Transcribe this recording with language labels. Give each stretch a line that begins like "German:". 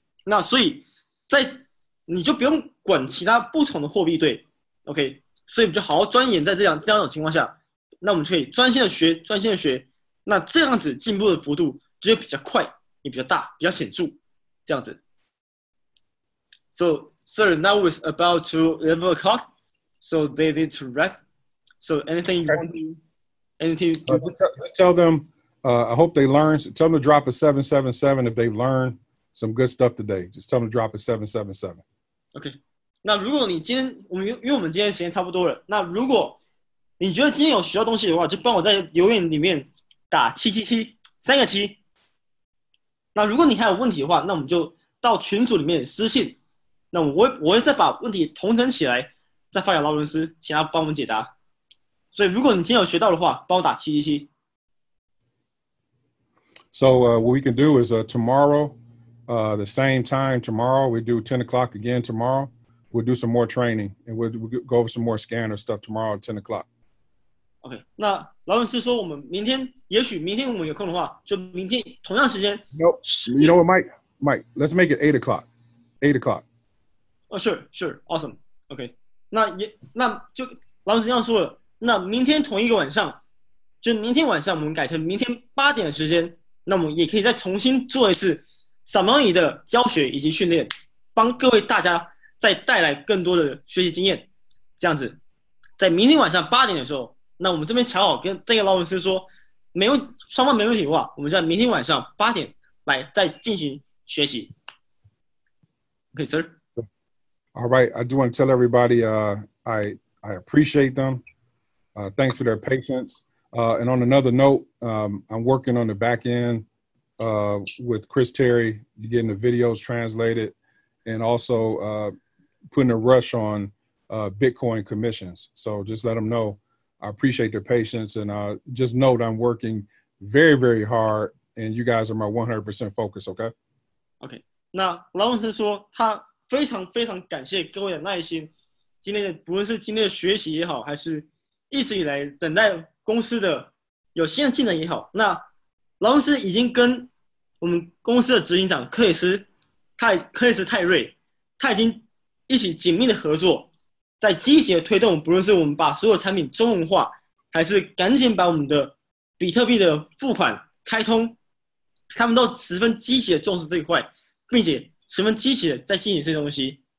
Chinese: 那所以在你就不用管其他不同的货币对 ,OK, 所以我们就好好钻研在这样的情况下，那我们可以专心的学，那这样子进步的幅度就比较快，也比较大，比较显著，这样子。
English: So, sir, now it's about to 11 o'clock, so they need to rest. So anything you want to do? Anything you want to do? Just tell them, I hope they learn, so tell them to drop a 777 if they learn some good stuff today. Just tell them to drop a 777. Okay.
Chinese: 那如果你今天因为我们今天时间差不多了，那如果你觉得今天有学到东西的话，就帮我在留言里面打777三个七。那如果你还有问题的话，那我们就到群组里面私信。那我会再把问题统整起来，再发给劳伦斯，请他帮我们解答。所以如果你今天有学到的话，帮我打777。
English: So what we can do is tomorrow. The same time tomorrow, we do 10 o'clock again tomorrow. We'll do some more training and we'll go over some more scanner stuff tomorrow at 10 o'clock.
Chinese: Okay, 那老闆是說我們明天,也許明天我們有空的話,就明天同樣時間。
English: Nope, you know what, Mike, let's make it 8 o'clock. 8 o'clock. Oh, sure, awesome.
Chinese: Okay, 那就老闆是這樣說了,那明天同一個晚上,就明天晚上我們改成明天8點的時間,那我們也可以再重新做一次散漫语的教学以及训练，帮各位大家再带来更多的学习经验。这样子，在明天晚上八点的时候，那我们这边瞧好跟这个劳伦斯说，双方没问题的话，我们在明天晚上八点来再进行学习。
English: OK, sir. All right, I do want to tell everybody, I appreciate them. Thanks for their patience. And on another note, I'm working on the back end. With Chris Terry, you're getting the videos translated and also putting a rush on Bitcoin commissions. So just let them know. I appreciate their patience and just know that I'm working very, very hard and you guys are my 100% focus, okay? Okay.
Chinese: 那劳伦斯说他非常非常感谢各位的耐心，今天不论是今天的学习也好，还是一直以来等待公司的有新的技能也好，那劳伦斯已经跟我们公司的执行长克里斯泰瑞，他已经一起紧密的合作，在积极的推动，不论是我们把所有产品中文化，还是赶紧把我们的比特币的付款开通，他们都十分积极的重视这一块，并且十分积极的在进行这些东西。